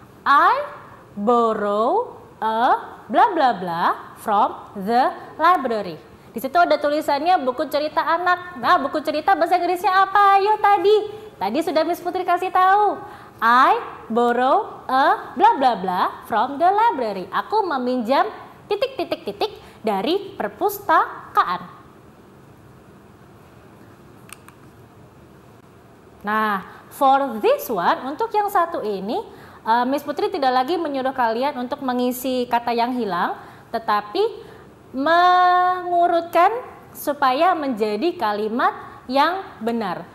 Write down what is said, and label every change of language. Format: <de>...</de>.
<en>I borrow a bla bla bla from the library.</en> <id>Di situ ada tulisannya buku cerita anak. Nah, buku cerita bahasa Inggrisnya apa? Ayo tadi. Tadi sudah Miss Putri kasih tahu.</id> <en>I borrow a bla bla bla from the library.</en> <id>Aku meminjam titik titik titik dari perpustakaan. Nah,</id> <en>for this one,</en> <id>untuk yang satu ini, Miss Putri tidak lagi menyuruh kalian untuk mengisi kata yang hilang, tetapi mengurutkan supaya menjadi kalimat yang benar.</id>